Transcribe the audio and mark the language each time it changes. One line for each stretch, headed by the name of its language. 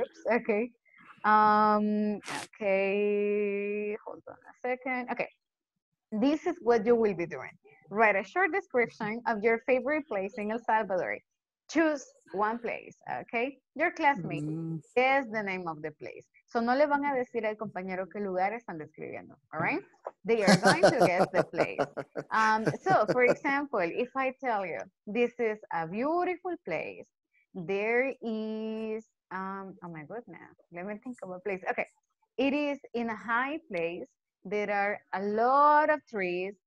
English: Okay. Hold on a second. Okay. This is what you will be doing. Write a short description of your favorite place in El Salvador. Choose one place, okay? Your classmate, guess the name of the place. So
Spanish: no le van a decir al compañero qué lugar están describiendo,
English: all right? They are going to guess the place. So for example, if I tell you, this is a beautiful place, there is, oh my goodness, let me think of a place. Okay, it is in a high place. There are a lot of trees.